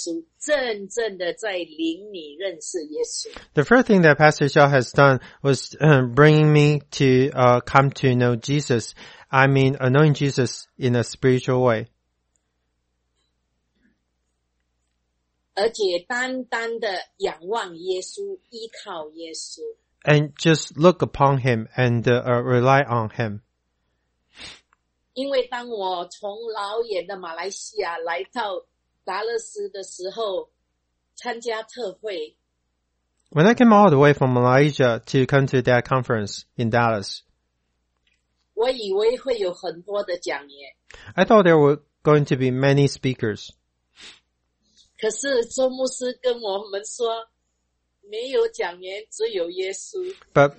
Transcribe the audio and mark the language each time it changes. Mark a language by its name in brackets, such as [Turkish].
[Chinese] 周牧师第一件事在我生命里面做的就是把我带来认识耶稣，真正的在灵里认识耶稣。 [English] The first thing that Pastor Chow has done was bringing me to come to know Jesus. I mean, knowing Jesus in a spiritual way. [Chinese] 而且单单的仰望耶稣，依靠耶稣。 [English] And just look upon him and rely on him. [Chinese] 因为当我从老远的马来西亚来到达勒斯的时候，参加特会。 [English] When I came all the way from Malaysia to come to that conference in Dallas, [Chinese] 我以为会有很多的讲员。 [English] I thought there were going to be many speakers. [Chinese] 可是周牧师跟我们说，没有讲员，只有耶稣。 [English] But